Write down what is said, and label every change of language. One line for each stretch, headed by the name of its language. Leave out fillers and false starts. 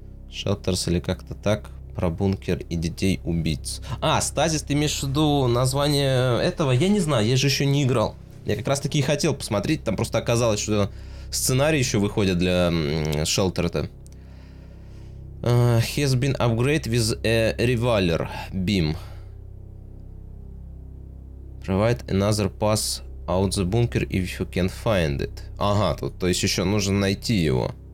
Russian: Шелтерс или как-то так. Про бункер и детей-убийц. А, стазис, ты имеешь в виду название этого? Я не знаю, я же еще не играл. Я как раз таки и хотел посмотреть. Там просто оказалось, что сценарий еще выходит для Shelter-то.
English: Has been upgraded with a reviler beam. Provide another pass out the bunker if you can find it.
Russian: Ага, тут, то есть еще нужно найти его.